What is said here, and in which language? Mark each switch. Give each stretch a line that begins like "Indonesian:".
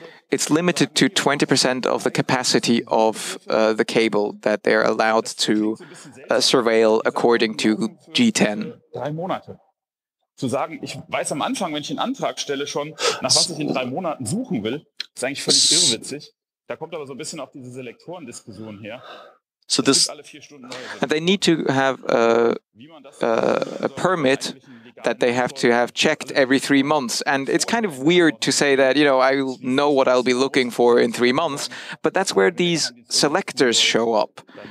English: It's limited to 20% of the capacity of the cable that they're allowed to surveil according to G10.
German: Zu sagen, ich weiß am Anfang, wenn ich einen Antrag stelle, schon, nach was ich in drei Monaten suchen will, ist eigentlich völlig irrwitzig. Da kommt aber so ein bisschen auch diese Selektorendiskussion her.
English: So this, and they need to have a permit that they have to have checked every 3 months. And it's kind of weird to say that, you know, I know what I'll be looking for in 3 months, but that's where these selectors show up.